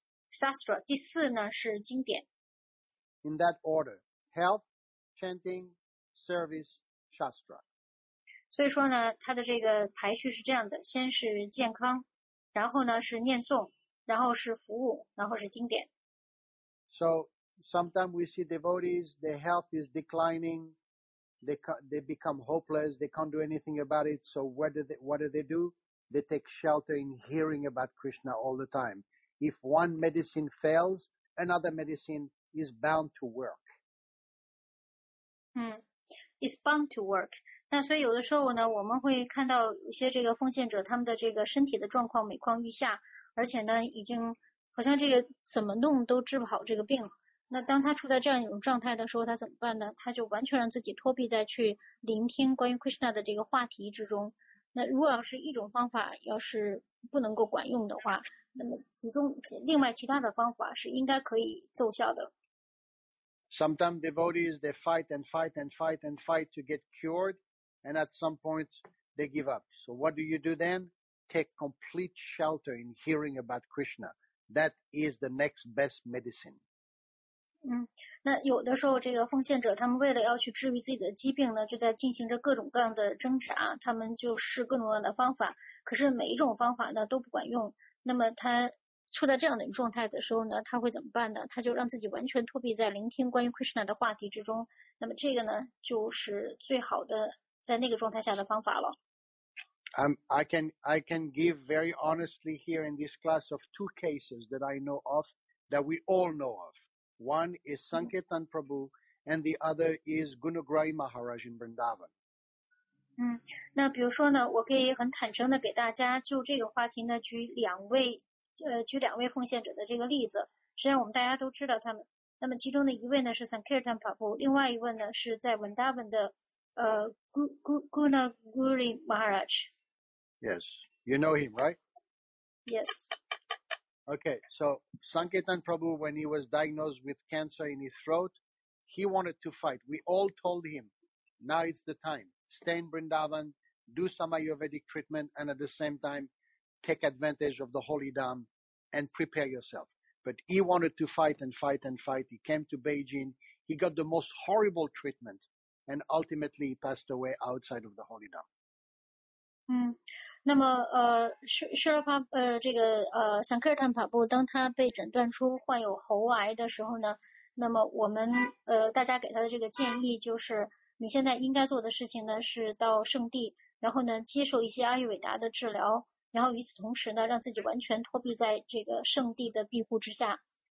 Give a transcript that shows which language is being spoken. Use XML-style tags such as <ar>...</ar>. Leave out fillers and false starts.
<zh>Shastra 第四呢是经典。</zh> <en>In that order: health, chanting, service, shastra.</en> <zh>所以说呢，它的这个排序是这样的，先是健康，然后呢是念诵，然后是服务，然后是经典。</zh> <en>So, sometimes we see devotees, their health is declining, they become hopeless, they can't do anything about it, so what do they do? They take shelter in hearing about Krishna all the time. If one medicine fails, another medicine is bound to work. Is bound to work.</en> <zh>那所以有的时候呢，我们会看到一些这个奉献者，他们的这个身体的状况每况愈下，而且呢，已经好像这个怎么弄都治不好这个病。那当他处在这样一种状态的时候，他怎么办呢？他就完全让自己脱壁，再去聆听关于 Krishna 的这个话题之中。那如果要是一种方法要是不能够管用的话，那么另外其他的方法是应该可以奏效的。</zh> <en>Sometimes devotees, they fight and fight and fight and fight to get cured, and at some point, they give up. So what do you do then? Take complete shelter in hearing about Krishna. That is the next best medicine.</en> <zh>那有的时候这个奉献者他们为了要去治愈自己的疾病呢，就在进行着各种各样的挣扎，他们就试各种各样的方法，可是每一种方法呢都不管用，那么他处在这样的状态的时候呢，他会怎么办呢？他就让自己完全脱壁，在聆听关于 Krishna 的话题之中。那么这个呢，就是最好的在那个状态下的方法了。</zh> <en>I can give very honestly here in this class of two cases that I know of, that we all know of. One is Sankirtan Prabhu, and the other is Gunugrahi Maharaj in Vrindavan.</en> <zh>那比如说呢，我可以很坦诚的给大家就这个话题呢举两位奉献者的这个例子，实际上我们大家都知道他们。那么其中的一位呢是 Sankirtan Prabhu， 另外一位呢是在 Vrindavan 的Gunagiri Maharaj。</zh> <en>Yes, you know him, right? Yes. Okay, so Sankirtan Prabhu, when he was diagnosed with cancer in his throat, he wanted to fight. We all told him, now it's the time. Stay in Vrindavan, do some Ayurvedic treatment, and at the same time,take advantage of the holy dham and prepare yourself. But he wanted to fight and fight and fight. He came to Beijing. He got the most horrible treatment and ultimately passed away outside of the holy dham.</en> <zh>那么Sankirtan Prabhu 当他被诊断出患有喉癌的时候呢，那么我们大家给他的这个建议就是，你现在应该做的事情呢是到圣地，然后呢接受一些阿育伟达的治疗，然后与此同时呢，让自己完全脱壁在这个圣地的庇护之下。</zh>